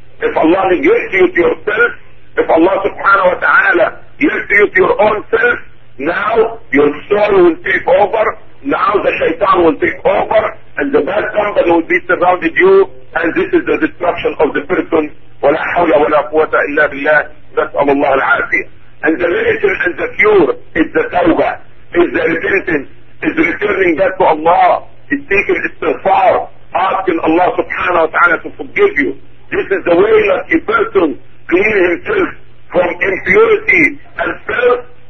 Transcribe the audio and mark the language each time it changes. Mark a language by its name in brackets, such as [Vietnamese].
[English] If Allah negates you to yourself, if Allah subhanahu wa ta'ala gives you to your own self, now your soul will take over now the shaitan will take over, and the bad company will be surrounded you, and this is the destruction of the person. [Arabic] ولا حول ولا قوة إلا بالله نسأل الله العافية. [English] And the religion and the cure is the tawbah, is the repentance, is returning back to Allah, is taking istighfar, asking Allah subhanahu wa ta'ala to forgive you. This is the way that a person clean himself from impurity and filth.